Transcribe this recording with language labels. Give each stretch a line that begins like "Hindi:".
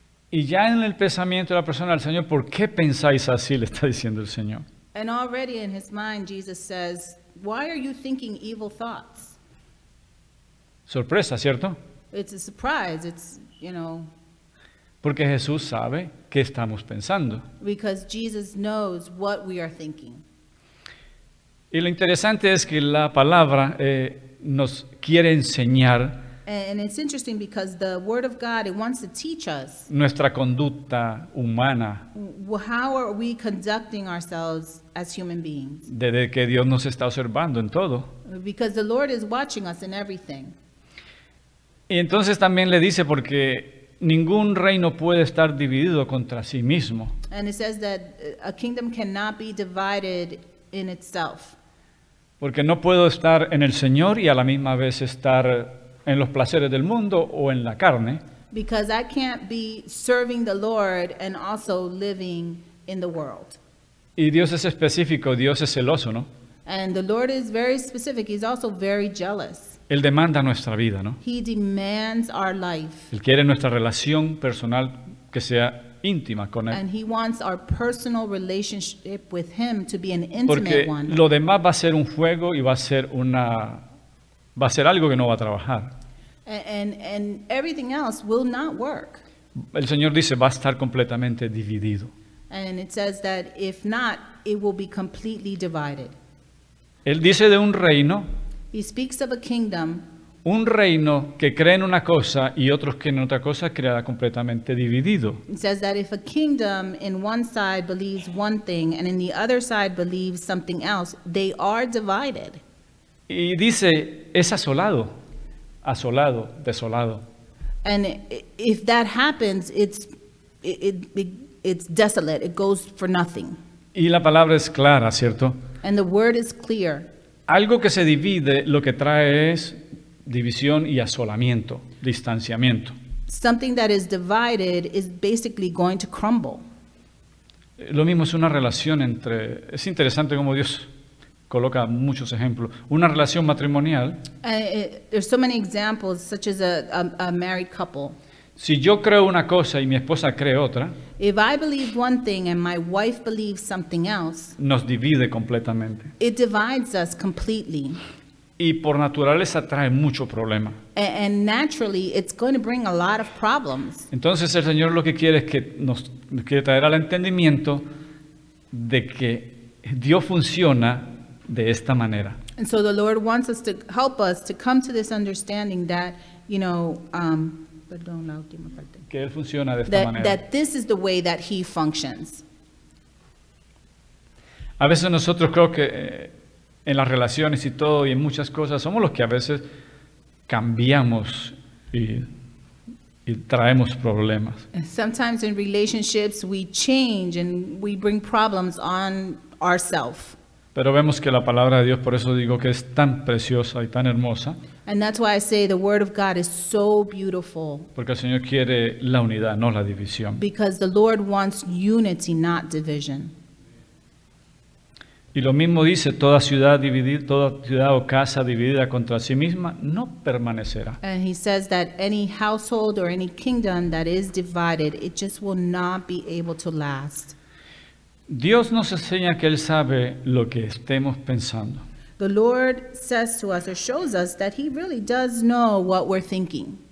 Spanish: Y ya en el pensamiento de la persona del Señor, ¿por qué pensáis así? Le está diciendo el Señor.
English: And already in his mind, Jesus says, Why are you thinking evil thoughts?
Spanish: Sorpresa, ¿cierto?
English: It's a surprise. It's, you know.
Spanish: Porque Jesús sabe qué estamos pensando.
English: Because Jesus knows what we are thinking.
Spanish: Y lo interesante es que la palabra nos quiere enseñar.
English: And it's interesting because the word of God, it wants to teach us
Spanish: nuestra conducta humana.
English: How are we conducting ourselves as human beings?
Spanish: Desde que Dios nos está observando en todo.
English: Because the Lord is watching us in everything.
Spanish: Y entonces también le dice, porque ningún reino puede estar dividido contra sí mismo.
English: And it says that a kingdom cannot be divided in itself.
Spanish: Porque no puedo estar en el Señor y a la misma vez estar en los placeres del mundo o en la carne.
English: Because I can't be serving the Lord and also living in the world.
Spanish: Y Dios es específico, Dios es celoso, ¿no?
English: And the Lord is very specific, he's also very jealous.
Spanish: Él demanda nuestra vida, ¿no?
English: He demands our life.
Spanish: Él quiere nuestra relación personal que sea íntima con él.
English: And he wants our personal relationship with him to be an intimate one.
Spanish: Porque lo demás va a ser un juego y va a ser algo que no va a trabajar.
English: And everything else will not work.
Spanish: El Señor dice, va a estar completamente dividido.
English: And it says that if not, it will be completely divided.
Spanish: Él dice de un reino.
English: He speaks of a kingdom.
Spanish: Un reino que cree en una cosa y otros que en otra cosa queda completamente dividido.
English: It says that if a kingdom in one side believes one thing and in the other side believes something else, they are divided.
Spanish: Y dice, es asolado, asolado, desolado.
English: And if that happens, it's desolate, it goes for nothing.
Spanish: Y la palabra es clara, ¿cierto?
English: And the word is clear.
Spanish: Algo que se divide, lo que trae es división y asolamiento, distanciamiento.
English: Something that is divided is basically going to crumble.
Spanish: Lo mismo es una relación entre, es interesante como Dios coloca muchos ejemplos, una relación matrimonial.
English: There's so many examples, such as a married couple.
Spanish: Si yo creo una cosa y mi esposa cree otra,
English: if I believe one thing and my wife believes something else,
Spanish: nos divide completamente.
English: It divides us completely.
Spanish: Y por naturaleza trae mucho problema.
English: And naturally, it's going to bring a lot of problems.
Spanish: Entonces el Señor lo que quiere es que nos quiere traer al entendimiento de que Dios funciona de esta manera.
English: And so the Lord wants us to help us to come to this understanding that, you know,
Spanish: perdón, la última parte. Que Él funciona de esta
English: that,
Spanish: manera.
English: That this is the way that He functions.
Spanish: A veces nosotros creo que en las relaciones y todo y en muchas cosas somos los que a veces cambiamos y traemos problemas.
English: Sometimes in relationships we change and we bring problems on ourselves.
Spanish: Pero vemos que la palabra de Dios, por eso digo que es tan preciosa y tan hermosa.
English: And that's why I say the word of God is so beautiful.
Spanish: Porque el Señor quiere la unidad, no la división.
English: Because the Lord wants unity, not division.
Spanish: Y lo mismo dice, toda ciudad dividida, toda ciudad o casa dividida contra sí misma no permanecerá.
English: And he says that any household or any kingdom that is divided, it just will not be able to last.
Spanish: Dios nos enseña que Él sabe lo que estemos pensando.
English: The Lord says to us or shows us that He really does know what we're thinking.